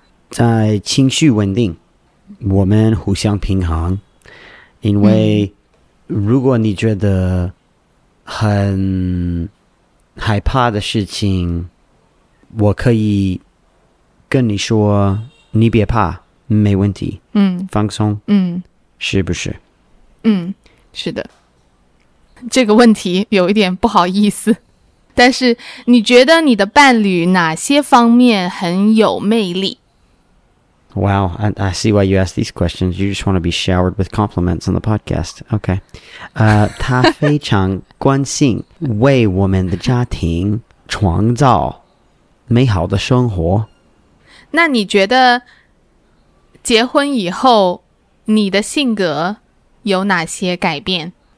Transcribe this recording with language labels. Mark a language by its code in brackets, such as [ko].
[zh] 在情绪稳定，我们互相平衡，因为如果你觉得很害怕的事情，我可以跟你说你别怕，没问题，放松，是不是？是的。这个问题有一点不好意思，但是你觉得你的伴侣哪些方面很有魅力？ [en] Wow, I see why you ask these questions. You just want to be showered with compliments on the podcast. Okay. [zh] 他非常关心为我们的家庭创造美好的生活。那你觉得结婚以后你的性格有哪些改变？